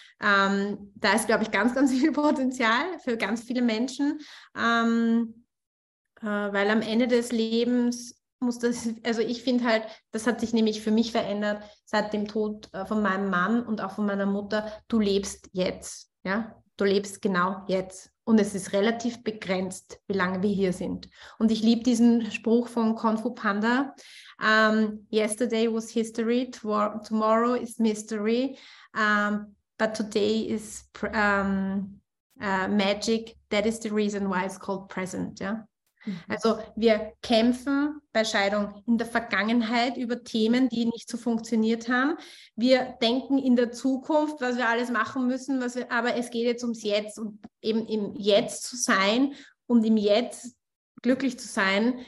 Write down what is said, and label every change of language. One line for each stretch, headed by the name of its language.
German: Da ist, glaube ich, ganz, ganz viel Potenzial für ganz viele Menschen, weil am Ende des Lebens muss das, also ich finde halt, das hat sich nämlich für mich verändert, seit dem Tod von meinem Mann und auch von meiner Mutter, du lebst jetzt, ja, du lebst genau jetzt und es ist relativ begrenzt, wie lange wir hier sind. Und ich liebe diesen Spruch von Kung Fu Panda,
English: yesterday was history, tomorrow is mystery, but today is magic, that is the reason why it's called present, ja.
German: Also wir kämpfen bei Scheidung in der Vergangenheit über Themen, die nicht so funktioniert haben. Wir denken in der Zukunft, was wir alles machen müssen, aber es geht jetzt ums Jetzt und eben im Jetzt zu sein und im Jetzt glücklich zu sein.